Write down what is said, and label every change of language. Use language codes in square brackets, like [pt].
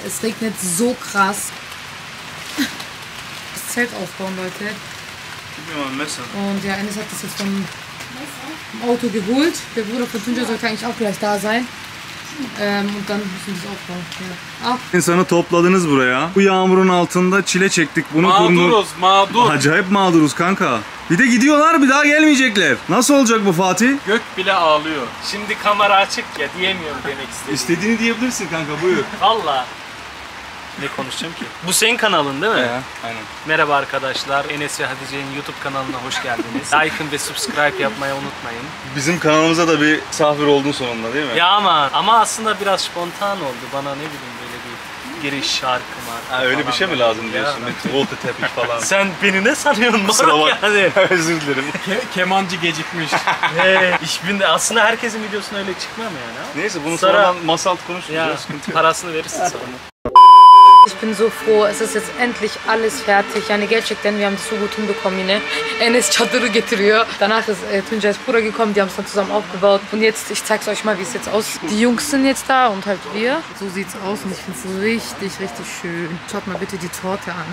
[de] Es regnet so krass. Das Zelt aufbauen, Leute. Gib mir mal ein Messer. Und ja, Enes hat das jetzt vom Auto geholt. Der Bruder von Tunja sollte eigentlich auch gleich da sein. Und dann müssen wir das aufbauen. Ja. [tr] İnsanı topladınız buraya. Bu yağmurun altında çile çektik. Bunu mağduruz, mağdur. Acayip mağduruz kanka. Bir de gidiyorlar, bir daha gelmeyecekler. Nasıl olacak bu Fatih? Gök bile ağlıyor. Şimdi kamera açık ya, diyemiyorum demek istediğimi. İstediğini diyebilirsin kanka, buyur. Valla. Ne konuşacağım ki? Bu senin kanalın değil mi? Ya, aynen. Merhaba arkadaşlar, Enes ve Hatice'nin YouTube kanalına hoş geldiniz. Like'ın ve subscribe yapmayı unutmayın. Bizim kanalımıza da bir misafir oldun sonunda değil mi? Ya ama aslında biraz spontan oldu. Bana ne bileyim böyle bir giriş şarkıma. Ha, öyle bir şey mi lazım diyorsun? Volta tepik falan. Sen beni ne sanıyorsun moruk yani? Özür dilerim. Kemancı gecikmiş. aslında herkesin videosuna öyle çıkmam yani. Neyse, bunu sonradan masal konuşmayacağız. Ya, parasını verirsin sonra. [de] Ich bin so froh, es ist jetzt endlich alles fertig. [tr] Yani gerçek, [de] denn wir haben das so gut hinbekommen, [tr] yine. Enes çadırı getiriyor. [de] Danach ist Tunca ist Bruder gekommen, die haben es dann zusammen aufgebaut. Und jetzt, ich zeig's euch mal, wie es jetzt aussieht. Die Jungs sind jetzt da und halt wir. So sieht's aus und ich find's richtig, richtig schön. Schaut mal bitte die Torte an.